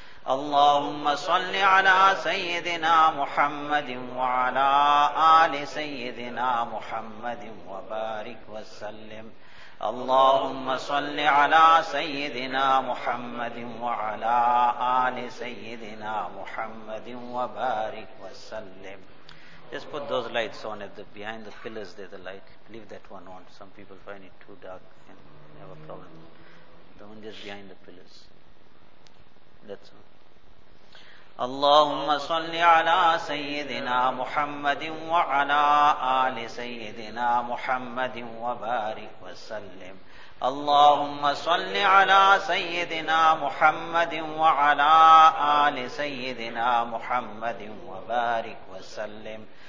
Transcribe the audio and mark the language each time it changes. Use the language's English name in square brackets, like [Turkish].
[Arabic] اللهم صل على سيدنا محمد وعلى آل سيدنا محمد وبارك وسلم. اللهم صل على سيدنا محمد وعلى آل سيدنا محمد وبارك وسلم. [English] Just put those lights on at the behind the pillars there, the light. Leave that one on. Some people find it too dark and have a problem. The one just behind the pillars. That's all. [Arabic] اللهم صل على سيدنا محمد وعلى آل سيدنا محمد وبارك وسلم. اللهم صل على سيدنا محمد وعلى آل سيدنا محمد وبارك وسلم.